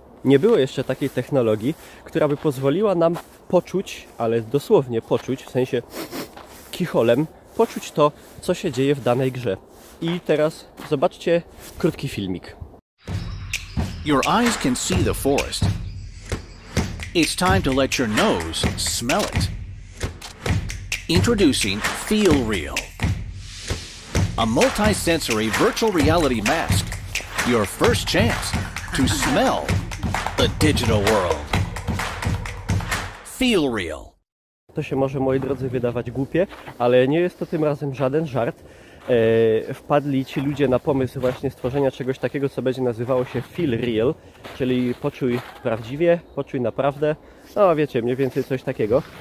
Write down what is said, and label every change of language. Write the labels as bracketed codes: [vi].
[pl] Nie było jeszcze takiej technologii, która by pozwoliła nam poczuć, ale dosłownie poczuć, w sensie kicholem, poczuć to, co się dzieje w danej grze. I teraz zobaczcie krótki filmik. [en] Your eyes can see the forest. It's time to let your nose smell it. Introducing Feel Real. A multi-sensory virtual reality mask. Your first chance to smell the digital world. Feel Real. [pl] To się może, moi drodzy, wydawać głupie, ale nie jest to tym razem żaden żart. Wpadli ci ludzie na pomysł właśnie stworzenia czegoś takiego, co będzie nazywało się Feel Real, czyli poczuj prawdziwie, poczuj naprawdę, no wiecie, mniej więcej coś takiego.